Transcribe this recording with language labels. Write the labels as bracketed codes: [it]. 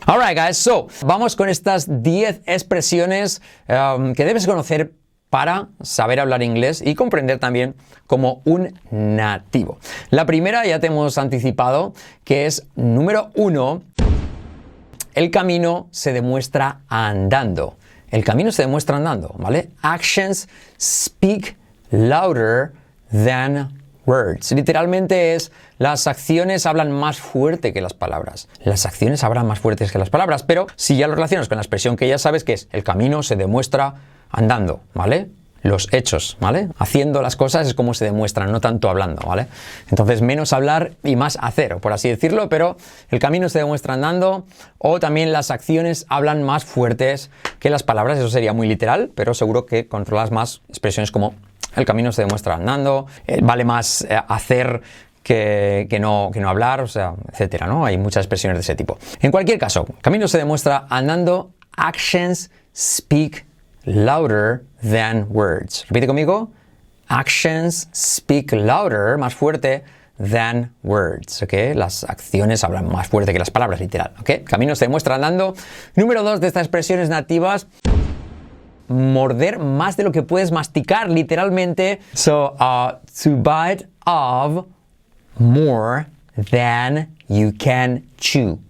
[en] Alright guys, [es] so vamos con estas 10 expresiones que debes conocer para saber hablar inglés y comprender también como un nativo. La primera ya te hemos anticipado, que es número 1, el camino se demuestra andando. El camino se demuestra andando, ¿vale? [en] Actions speak louder than words. [es] Literalmente es, las acciones hablan más fuerte que las palabras. Las acciones hablan más fuertes que las palabras, pero si ya lo relacionas con la expresión que ya sabes, que es el camino se demuestra andando, ¿vale? Los hechos, ¿vale? Haciendo las cosas es como se demuestran, no tanto hablando, ¿vale? Entonces, menos hablar y más hacer, por así decirlo, pero el camino se demuestra andando, o también las acciones hablan más fuertes que las palabras. Eso sería muy literal, pero seguro que controlas más expresiones como el camino se demuestra andando, vale más hacer que no hablar, o sea, etcétera, ¿no? Hay muchas expresiones de ese tipo. En cualquier caso, camino se demuestra andando, [en] actions speak louder than words. [es] Repite conmigo. [en] Actions speak louder, [es] más fuerte, [en] than words, ¿ok? [es] Las acciones hablan más fuerte que las palabras, literal, ¿ok? Camino se demuestra andando. Número 2 de estas expresiones nativas, morder más de lo que puedes masticar, literalmente. [en] So, to bite off more than you can chew.